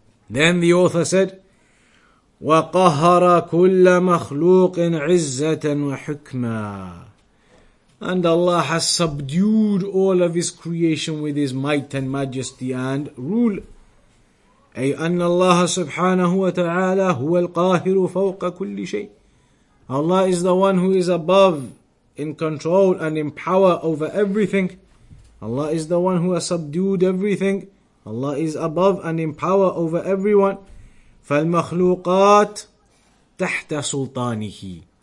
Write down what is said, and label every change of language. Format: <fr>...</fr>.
<en>Then the author said,</en> <ar>وَقَهَرَ كُلَّ مَخْلُوقٍ عِزَّةً وَحُكْمًا.</ar> <en>And Allah has subdued all of His creation with His might and majesty and rule.</en> <ar>أي أن الله سبحانه وتعالى هو القاهر فوق كل شيء.</ar> <en>Allah is the one who is above, in control and in power over everything. Allah is the one who has subdued everything. Allah is above and in power over everyone.</en> <ar>فالمخلوقات تحت سلطانه.</ar>